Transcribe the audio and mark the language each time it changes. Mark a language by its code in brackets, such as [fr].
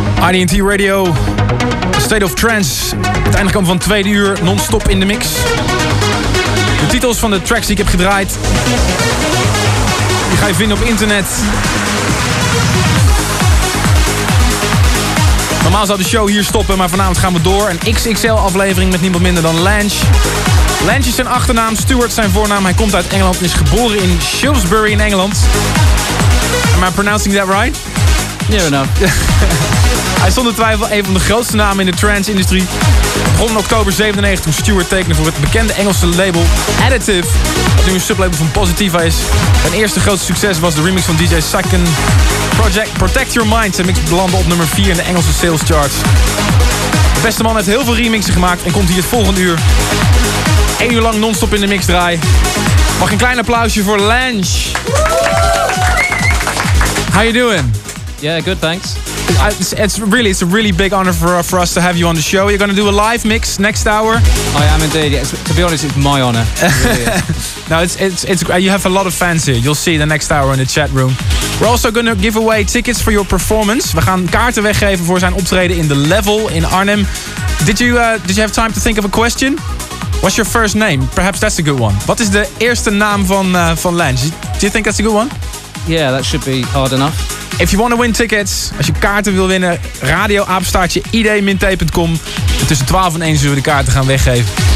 [en] ID&T Radio, State of Trance. [nl] Het einde kwam van 2 uur, non-stop in de mix. De titels van de tracks die ik heb gedraaid, die ga je vinden op internet. Normaal zou de show hier stoppen, maar vanavond gaan we door. Een XXL-aflevering met niemand minder dan Lange. Lange is zijn achternaam, Stuart zijn voornaam. Hij komt uit Engeland en is geboren in Shrewsbury in Engeland. [en] Am I pronouncing that right? Near enough. [nl] Hij stond in twijfel een van de grootste namen in de trance-industrie. Begon in oktober 1997 toen Stuart tekende voor het bekende Engelse label Additive. Dat nu een sublabel van Positiva is. Zijn eerste grootste succes was de remix van DJ Sakken. Project Protect Your Mind. Zijn mix belandde op nummer 4 in de Engelse sales charts. De beste man heeft heel veel remixen gemaakt en komt hier het volgende uur. 1 uur lang non-stop in de mix draaien. Mag een klein applausje voor Lange. [en] How you doing? Yeah, good, thanks. It's a really big honor for us to have you on the show. You're going to do a live mix next hour. I am indeed. Yeah. To be honest, it's my honor. Really. No, it's you have a lot of fans here. You'll see the next hour in the chat room. We're also going to give away tickets for your performance. [nl] We gaan kaarten weggeven voor zijn optreden in The Level in Arnhem. [en] Did you have time to think of a question? What's your first name? Perhaps that's a good one. What is the [nl] eerste naam van [en] Lange? Do you think that's a good one? Yeah, that should be hard enough. If you want to win tickets, [nl] als je kaarten wil winnen, [en] radioapenstaartje id-t.com. [nl] Tussen 12 en 1 zullen we de kaarten gaan weggeven.